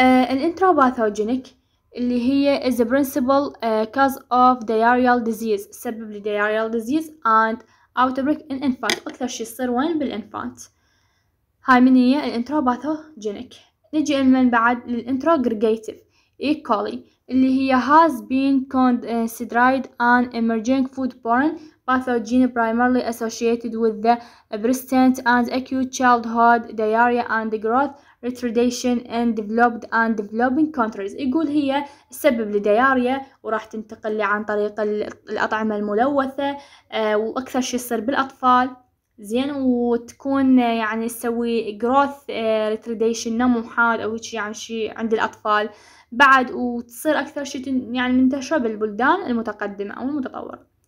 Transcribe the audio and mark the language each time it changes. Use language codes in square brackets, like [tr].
[ar] الانتروباثوجينيك اللي هي [en] is principal cause of diarrhoeal disease, [ar] سبب لدياريال ديزيز [en] and outbreak in infant, [ar] اكثر شيء يصير وين بالانفانت، هاي من هي الانتروباثوجينيك. نجي من بعد للانتروغريجيتيف ايكولي اللي هي [en] has been considered an emerging foodborne pathogen primarily associated with the persistent and acute childhood diarrhea and growth retardation in developed and developing countries. [ar] يقول هي سبب لدياريا وراح تنتقل عن طريق الأطعمة الملوثة، وأكثر شيء يصير بالأطفال زين، وتكون يعني تسوي growth retardation نمو حاد أو شيء، يعني شيء عند الأطفال بعد، وتصير أكثر شيء يعني منتشرة بالبلدان المتقدمة أو المتطورة.